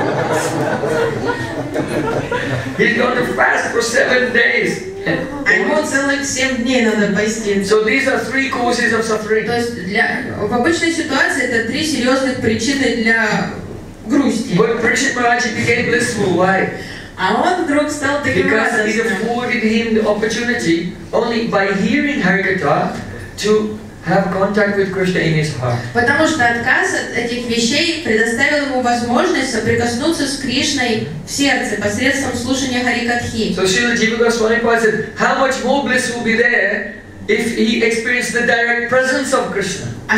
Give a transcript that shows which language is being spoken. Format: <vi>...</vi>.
<en>He's going to fast for 7 days.</en> <ru>А ему целых 7 дней надо поститься.</ru> <en>So these are 3 causes of suffering.</en> <ru>То есть для, в обычной ситуации это 3 серьезных причины для грусти.</ru> <en>But Prishit Maharaji became blissful. Why?</en> <ru>А он вдруг стал таким радостным.</ru> <en>Because it afforded him the opportunity only by hearing Harikatha to have contact with Krishna in his heart.</en> <ru>Потому что отказ от этих вещей предоставил ему возможность соприкоснуться с Кришной в сердце посредством слушания Харикатхи.</ru> <en>So Srila Jiva Goswami said, how much more bliss will be there if he experienced the direct presence of Krishna?</en>